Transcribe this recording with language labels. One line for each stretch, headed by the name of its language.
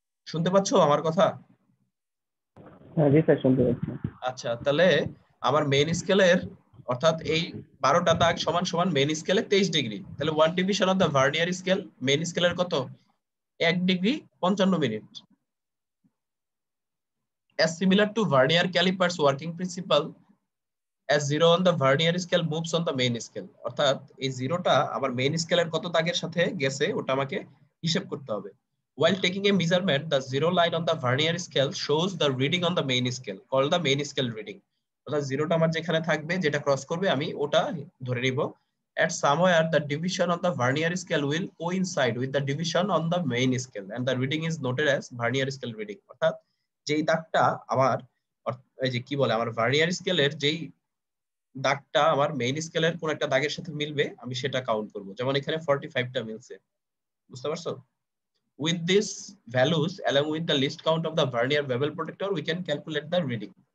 Bangla: শুনতে পাচ্ছো আমার কথা? হ্যাঁ জি স্যার শুনতে পাচ্ছি। আচ্ছা তাহলে আমার মেইন স্কেলের অর্থাৎ এই 12টা দাগ সমান সমান মেইন স্কেলে 23 ডিগ্রি, তাহলে 1 division of the vernier scale main স্কেলের কত, 1 degree 55 minute.
English: As similar to vernier calipers working principle, as zero on the vernier scale moves on the main scale.
Bangla: অর্থাৎ এই জিরোটা আমার মেইন স্কেলের কত দাগের সাথে গেছে ওটা আমাকে হিসেব করতে হবে।
English: While taking a measurement, the zero line on the vernier scale shows the reading on the main scale, called the main scale reading.
Bangla: অর্থাৎ জিরোটা আমার যেখানে থাকবে যেটা ক্রস করবে আমি ওটা ধরে নিব।
English: At somewhere, the division on the vernier scale will coincide with the division on the main scale and the reading is noted as vernier scale reading.
Bangla: অর্থাৎ যেই দাগটা আমার এই যে কি বলে আমার ভার্নিয়ার স্কেলের যেই দাগটা আমার মেইন স্কেলের কোন একটা দাগের সাথে মিলবে আমি সেটা কাউন্ট করব, যেমন এখানে 45টা মিলছে, বুঝতে পারছো?
English: With this values along with the least count of the vernier bevel protractor we can calculate the reading.